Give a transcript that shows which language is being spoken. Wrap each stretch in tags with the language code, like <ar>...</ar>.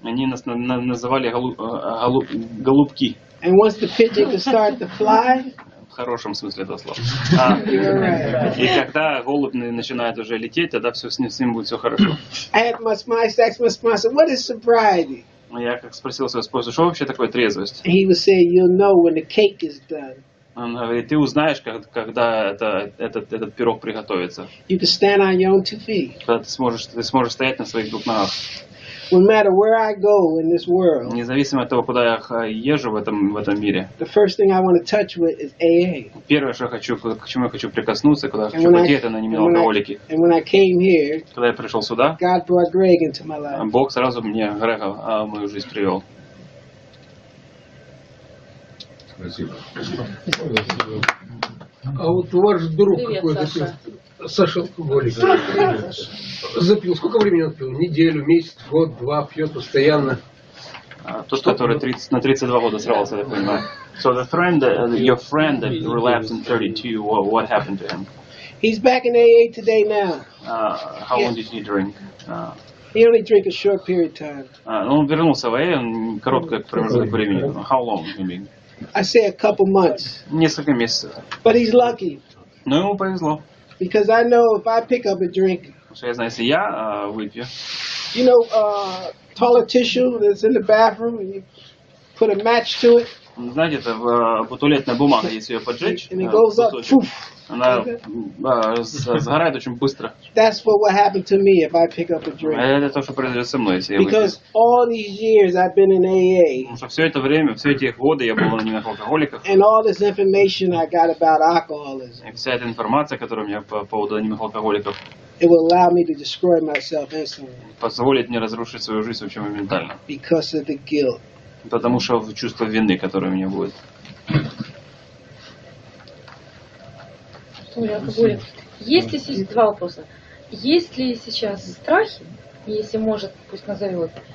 <ru>Они нас называли голубки.</ru> <en>And once the pigeon could start to fly.</en> <ru>В хорошем смысле этого слова.</ru> <en>Right.</en> <ru>И когда голубь начинает уже лететь, тогда все с ним будет все хорошо.</ru> <en>What is sobriety?</en> <ru>Я как спросил своего спонсора, что вообще такое трезвость?</ru> <en>He was saying, you'll know when the cake is done.</en> <ru>Он говорит, ты узнаешь, когда этот пирог приготовится.</ru> <en>You can stand on your own two feet.</en> <ru>Когда ты сможешь стоять на своих двух ногах.</ru> <en>No matter where I go in this world.</en> <ru>Независимо от того, куда я езжу в этом мире.</ru> <en>The first thing I want to touch with is AA.</en> <ru>Первое, что я хочу, к чему я хочу прикоснуться, куда хочу пойти, это анонимные алкоголики.</ru> <en>And when I came here.</en> <ru>Когда я пришел сюда.</ru> <en>God brought Greg into my life.</en> <ru>Бог сразу мне Грега в мою жизнь привел. Спасибо. А вот ваш друг какой-то. Саша алкоголик. Запил. Сколько времени он пил? Неделю, месяц, год, два, пьет постоянно. Тот, который 30, на 32 года срывался, я понимаю.</ru> <en>So the friend, your friend that relapsed in 32, what happened to him? He's back in AA today now. How long did he drink? He only drank a short period of time.</en> <ru>Он вернулся в AA, короткое промежуток времени.</ru> <en>How long, you mean? I say a couple months.</en> <ru>Несколько месяцев.</ru> <en>But he's lucky.</en> <ru>Но ему повезло.</ru> <en>Because I know if I pick up a drink. So as I say, yeah, with you. You know, toilet tissue that's in the bathroom, and you put a match to it.</en> <ru>Знаете, это туалетная бумага, если ее поджечь.</ru> <en>And it goes up, poof.</en> <ru>Она сгорает очень быстро.</ru> <en>That's what happened to me if I pick up a drink.</en> <ru>Это то, что произойдет со мной, если я выпью.</ru> <en>Because all these years I've been in AA.</en> <ru>Потому что все это время, все эти годы я был не на алкоголиках.</ru> <en>And all this information I got about alcoholism.</en> <ru>И вся эта информация, которую у меня по поводу не на алкоголиках.</ru> <en>It will allow me to destroy myself instantly.</en> <ru>Позволит мне разрушить свою жизнь вообще моментально.</ru> <en>Because of the guilt.</en> <ru>Потому что чувство вины, которое у меня будет. Есть ли сейчас два вопроса? Есть ли сейчас страхи, если может, пусть назовет.</ru>